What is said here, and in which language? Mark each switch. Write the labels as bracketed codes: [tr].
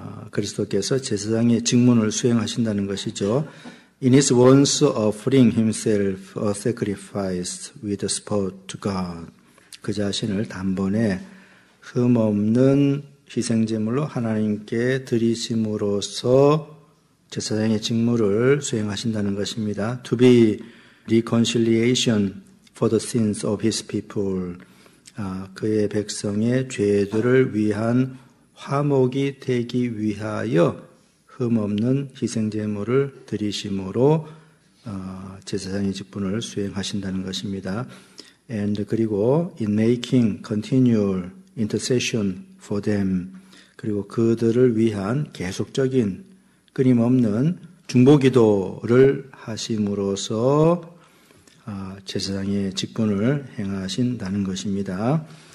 [ko] 그리스도께서 제사장의 직무를 수행하신다는 것이죠. [en] In his once offering himself a sacrifice with a spot to God. [ko] 그 자신을 단번에 흠 없는 희생제물로 하나님께 드리심으로써 제사장의 직무를 수행하신다는 것입니다. [en] To be reconciliation for the sins of his people. [ko] 그의 백성의 죄들을 위한 화목이 되기 위하여 흠없는 희생제물을 드리심으로 제사장의 직분을 수행하신다는 것입니다. [en] And [ko] 그리고 [en] in making continual intercession for them, [ko] 그리고 그들을 위한 계속적인 끊임없는 중보기도를 하심으로써 제사장의 직분을 행하신다는 것입니다.